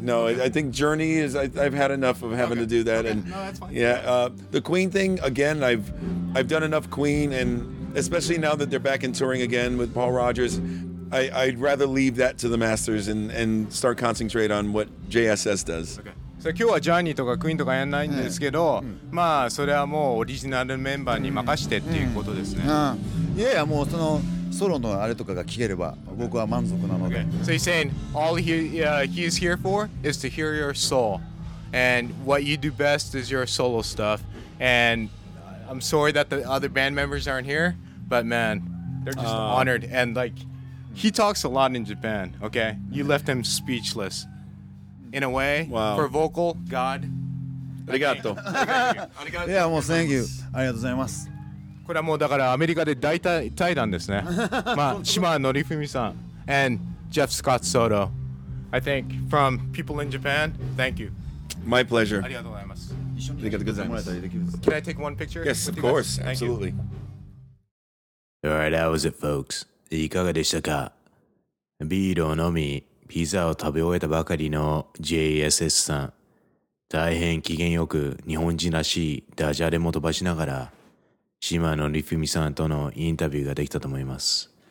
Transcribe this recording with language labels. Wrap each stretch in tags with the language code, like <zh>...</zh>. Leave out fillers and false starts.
<en>No, I think Journey is, I've had enough of having to do that. Okay. And no, that's fine. Yeah, the Queen thing, again, I've done enough Queen, and especially now that they're back in touring again with Paul Rodgers, I'd rather leave that to the masters and start concentrate on what JSS does. Okay.</en> <ja>さ今日はジャーニーとかクイーンとかやんないんですけど、まあそれはもうオリジナルメンバーに任してっていうことですね。いやいやもうそのソロのあれとかが聞ければ僕は満足なので。</ja> <en>So he's saying all he he's here for is to hear your soul, and what you do best is your solo stuff. And I'm sorry that the other band members aren't here, but man, they're just honored. And like he talks a lot in Japan. Okay, you left him speechless. In a way, wow. For vocal, God.</en> <ja>Arigato.</ja> <en>Yeah, well, thank you.</en> <ja>ありがとうございます。これはもうだからアメリカで大体対談ですね。まあ、島のりふみさん and Jeff Scott Soto.</ja> <en>I think from people in Japan, thank you. My pleasure.</en> <ja>ありがとうございます。ありがとうございます。</ja> <en>Can I take one picture? Yes, of course. Absolutely. All right, that was it, folks.</en> <ja>いかがでしたか?ビールを飲み。ピザを食べ終えたばかりの JSS さん、大変機嫌よく日本人らしいダジャレも飛ばしながら島のりふみさんとのインタビューができたと思います。</ja>